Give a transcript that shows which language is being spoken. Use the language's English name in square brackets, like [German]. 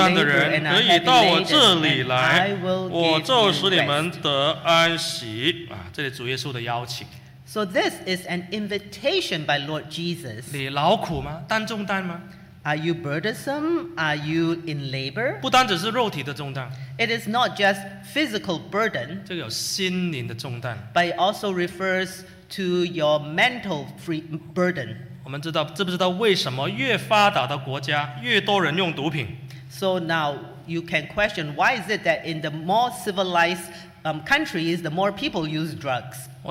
[Chinese] 凡劳苦担重担的人可以到我这里来，我就使你们得安息。这里主耶稣的邀请。 [English] So this is an invitation by Lord Jesus. [Chinese] 你劳苦吗?担重担吗? [English] Are you burdensome? Are you in labor? [Chinese] 不单只是肉体的重担。 [English] It is not just physical burden. [Chinese] 这个有心灵的重担。 [English] But it also refers to your mental free burden. [Chinese] 我们知道，知不知道为什么越发达的国家越多人用毒品？ [English] So now you can question why is it that in the more civilized countries, the more people use drugs.